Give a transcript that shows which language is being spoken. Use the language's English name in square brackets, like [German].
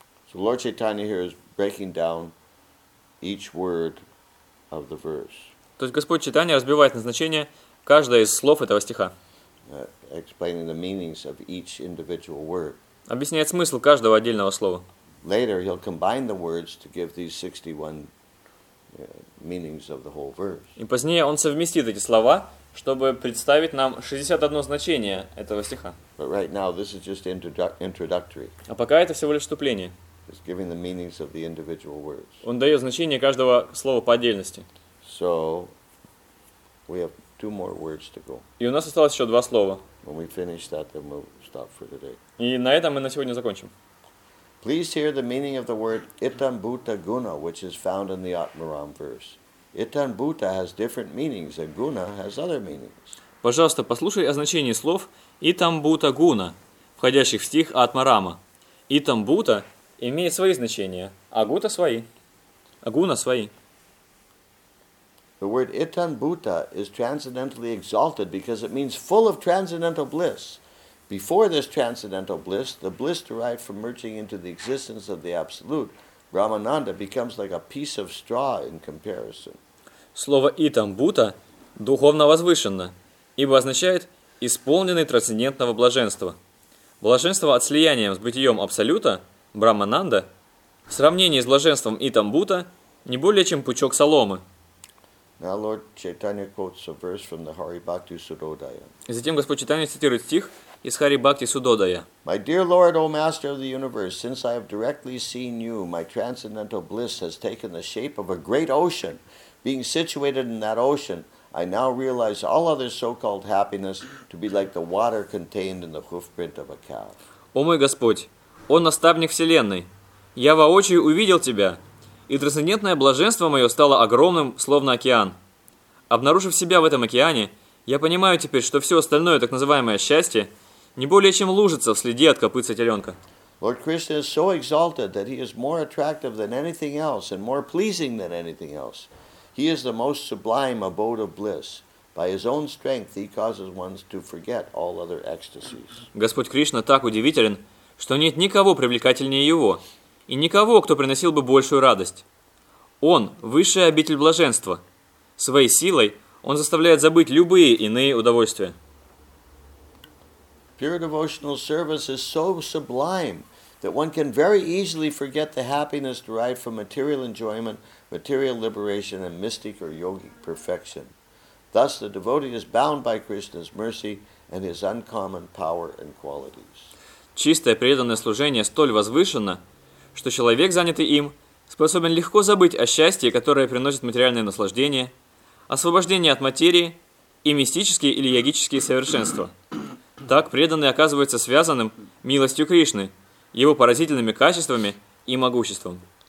[English] So Lord Chaitanya here is breaking down each word of the verse. [Russian] То есть Господь Читания разбивает на значение каждое из слов этого стиха. [English] Explaining the meanings of each individual word. [Russian] Объясняет смысл каждого отдельного слова. [English] Later he'll combine the words to give these 61 meanings of the whole verse. [Russian] И позднее он совместит эти слова, чтобы представить нам 61 значение этого стиха. [English] But right now this is just introductory. [Russian] А пока это всего лишь вступление. [English] Is giving the meanings of the individual words. [Russian] Он дает значение каждого слова по отдельности. [English] So, we have two more words to go. [Russian] И у нас осталось еще два слова. [English] When we finish that, then we'll stop for today. [Russian] И на этом мы на сегодня закончим. [English] Please hear the meaning of the word itambhuta guna, which is found in the Atmaram verse. Itambhuta has different meanings, and guna has other meanings. [Russian] Пожалуйста, послушай о значении слов itambhuta guna, входящих в стих Атмарама. Itambhuta имеет свои значения, а гута свои, а гуна свои. [English] The word itambhuta is transcendentally exalted because it means full of transcendental bliss. Before this transcendental bliss, the bliss derived from merging into the existence of the Absolute, Brahmananda, becomes like a piece of straw in comparison. [Russian] Слово itambhuta духовно возвышенно, ибо означает исполненный трансцендентного блаженства. Блаженство от слияния с бытием Абсолюта Брамананда в сравнении с блаженством Итамбута не более чем пучок соломы. [English] Now Lord Chaitanya quotes a verse from the Hari Bhakti Suddhodaya. [Russian] И затем Господь Читания цитирует стих из Хари Бхакти Суддодая. [English] My dear Lord, O Master of the Universe, since I have directly seen you, my transcendental bliss has taken the shape of a great ocean. Being situated in that ocean, I now realize all other so-called happiness to be like the water contained in the hoofprint of a calf. [Russian] О мой Господь, О наставник Вселенной, я воочию увидел Тебя, и трансцендентное блаженство мое стало огромным, словно океан. Обнаружив себя в этом океане, я понимаю теперь, что все остальное, так называемое счастье, не более чем лужица в следе от копытца теленка. [English] Lord Krishna is so exalted that he is more attractive than anything else and more pleasing than anything else. He is the most sublime abode of bliss. By his own strength he causes one to forget all other ecstasies. [Russian] Господь Кришна так удивителен, что нет никого привлекательнее Его, и никого, кто приносил бы большую радость. Он – высшая обитель блаженства. Своей силой Он заставляет забыть любые иные удовольствия. [English] Pure devotional service is so sublime that one can very easily forget the happiness derived from material enjoyment, material liberation, and mystic or yogic perfection. Thus, the devotee is bound by Krishna's mercy and his uncommon power and qualities. [Russian] Чистое преданное служение столь возвышено, что человек, занятый им, способен легко забыть о счастье, которое приносит материальное наслаждение, освобождение от материи и мистические или йогические совершенства. Так преданный оказывается связанным милостью Кришны, его поразительными качествами и могуществом.